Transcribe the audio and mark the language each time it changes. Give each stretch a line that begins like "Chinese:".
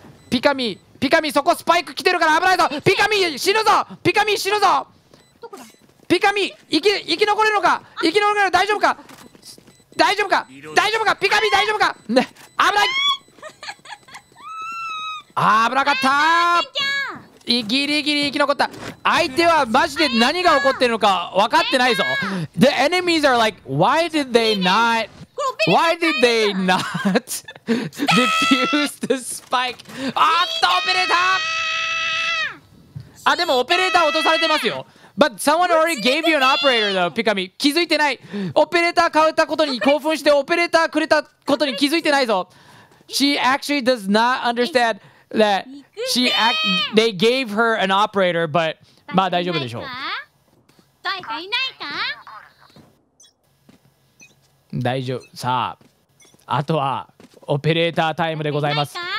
Japanese: ピカミー、ピカミー、そこスパイク来てるから危ないぞ、ピカミー死ぬぞ、ピカミー死ぬぞ、ピカミ生き残れるのか、生き残れるの、大丈夫か、大丈夫か、大丈夫か、ピカミ大丈夫か、ね、危ない、あ、危なかった、ギリギリ生き残った。相手はマジで何が起こってるのか分かってないぞ。
English: The enemies are like why did they not、Why did they not defuse the spike?
Japanese: あった、オペレーター、あ、でもオペレーター落とされてますよ。
English: But someone already gave you an operator though, Pikamee。
Japanese: 気づいてない、オペレーター買ったことに興奮してオペレーターくれたことに気づいてないぞ。
English: She actually does not understand that she act, they gave her an operator, but
Japanese: まあ大丈夫でしょう。誰かいないか、大丈夫、さあ、あとはオペレータータイムでございます。